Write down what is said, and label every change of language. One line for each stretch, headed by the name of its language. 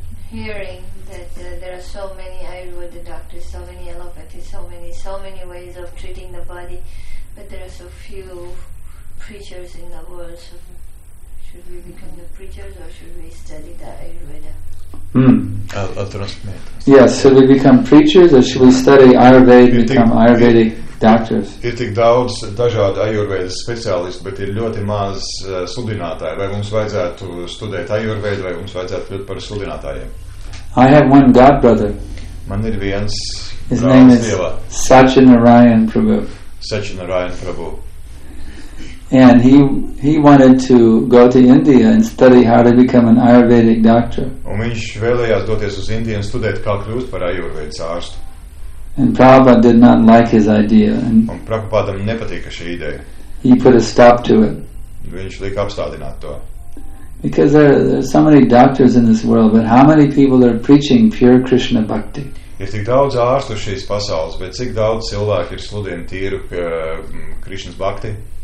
English: Hearing that there are so many Ayurveda doctors, so many allopathies, so many ways of treating the body, but there are so few preachers in the world, so should we become the preachers or should we study the Ayurveda? I'll transmit. Yes, should we become preachers or should we study Ayurveda and become Ayurvedic doctors?
Latvian: Ir tik daudz dažādu Ayurvedas speciālistu, bet ir ļoti maz sludinātāju. Vai mums vajadzētu studēt Ayurvedu, vai mums vajadzētu kļūt par sludinātājiem?
English: I have one god brother.
Latvian: Man ir viens
English: His name is Satchinarayan Prabhu.
Latvian: Satchinarayan Prabhu.
English: And he wanted to go to India and study how to become an Ayurvedic doctor.
Latvian: Un viņš vēlējās doties uz Indiju un studēt, kā kļūt par Ayurvedas ārstu.
English: And Prabhupada did not like his idea.
Latvian: Un Prabhupādam nepatika šī ideja.
English: He put a stop to it.
Latvian: Viņš lika apstādināt to.
English: Because there are so many doctors in this world, but how many people are preaching pure Krishna bhakti?
Latvian: Ir tik daudz ārstu šīs pasaules, bet cik daudz cilvēku ir sludina tīru Krishnas bhakti?